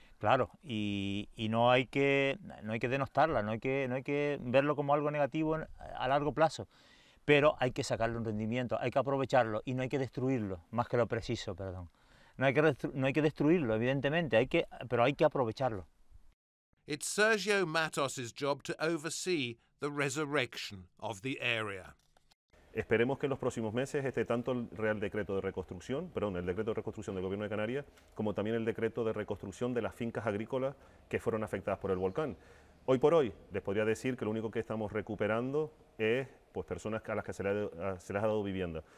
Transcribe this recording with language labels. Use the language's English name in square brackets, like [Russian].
[Spanish] Claro, y no hay que denostarla, no hay que verlo como algo negativo a largo plazo, pero hay que sacarle un rendimiento, hay que aprovecharlo y no hay que destruirlo, más que lo preciso, perdón. No hay que destruirlo, evidentemente, pero hay que aprovecharlo. [English] It's Sergio Matos's job to oversee the resurrection of the area. [Spanish] Esperemos que en los próximos meses esté tanto el Real Decreto de Reconstrucción, perdón, el Decreto de Reconstrucción del Gobierno de Canarias, como también el Decreto de Reconstrucción de las fincas agrícolas que fueron afectadas por el volcán. Hoy por hoy, les podría decir que lo único que estamos recuperando es pues, personas a las que se les ha dado vivienda.